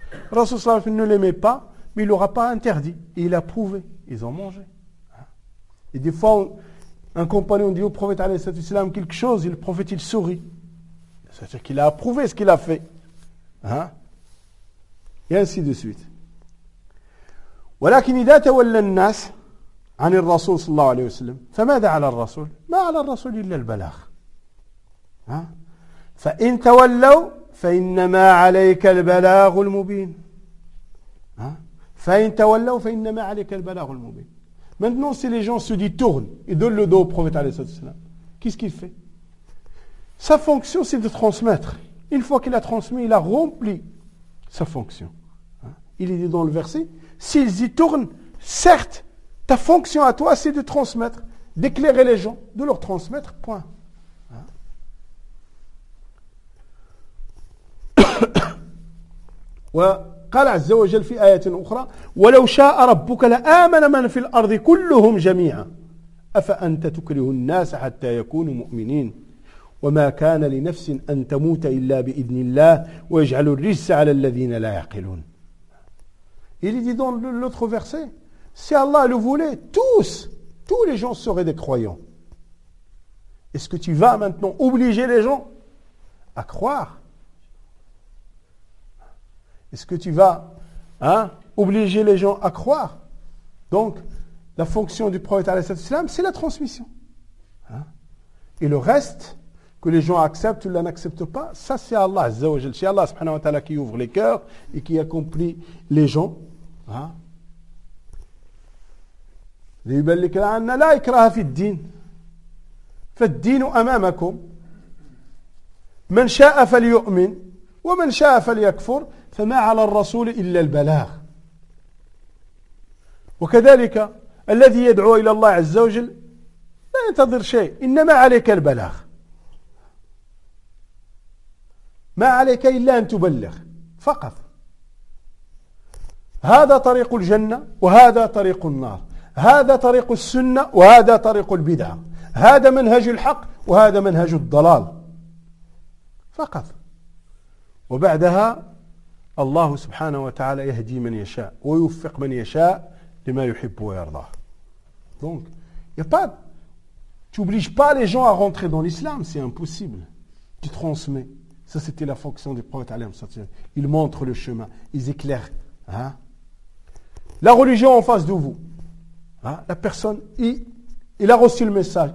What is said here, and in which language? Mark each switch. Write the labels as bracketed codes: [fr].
[fr] Rasoul sallallahu alayhi wa sallam ne l'aimait pas, mais il l'aura pas interdit. Et il a prouvé, ils ont mangé. Et des fois, un compagnon dit au prophète alayhi salatu wassalam quelque chose, et le prophète il sourit. C'est-à-dire qu'il a approuvé ce qu'il a fait. Hein? Et ainsi de suite. [ar] ولكن إذا تولى الناس عن الرسول صلى الله عليه وسلم فماذا على الرسول؟ ما على الرسول إلا البلاغ. فإن تولوا فإنما عليك البلاغ المبين. فإن تولوا فإنما عليك البلاغ المبين. [fr] Maintenant, si les gens se détournent et donnent le dos au prophète [ar] عليه الصلاة والسلام, [fr] qu'est-ce qu'il fait? Sa fonction, c'est de transmettre. Une fois qu'il a transmis, il a rempli sa fonction. Il est dit dans le verset, s'ils y tournent, certes, ta fonction à toi, c'est de transmettre, d'éclairer les gens, de leur transmettre, point. [ar] وقال عز وجل في آية أخرى ولو شاء ربك لآمن من في الأرض كلهم جميعا أفأنت تكره الناس حتى يكونوا مؤمنين وما كان لنفس أن تموت إلا بإذن الله ويجعل الرجس على الذين لا يعقلون. [fr] Il dit dans l'autre verset, si Allah le voulait, tous les gens seraient des croyants. Est-ce que tu vas maintenant obliger les gens à croire? Est-ce que tu vas obliger les gens à croire? Donc, la fonction du prophète alayhi salam, c'est la transmission. Hein? Et le reste, que les gens acceptent ou n'acceptent pas, ça c'est Allah azza wa jal. C'est Allah subhanahu wa ta'ala qui ouvre les cœurs et qui accomplit les gens. [ar] ليبلغ لنا لا إكراه في الدين فالدين أمامكم من شاء فليؤمن ومن شاء فليكفر فما على الرسول إلا البلاغ وكذلك الذي يدعو إلى الله عز وجل لا ينتظر شيء إنما عليك البلاغ ما عليك إلا أن تبلغ فقط هذا طريق الجنة وهذا طريق النار هذا طريق السنة وهذا طريق البدعة هذا منهج الحق وهذا منهج الضلال فقط وبعدها الله سبحانه وتعالى يهدي من يشاء ويوفق من يشاء لما يحب ويرضاه. [fr] Donc, il n'y a pas Tu n'obliges pas les gens à rentrer dans l'islam, c'est impossible. Tu transmets. Ça, c'était la fonction des prophètes. Ils montrent le chemin, ils éclairent. Hein? La religion en face de vous. Hein? La personne, il a reçu le message.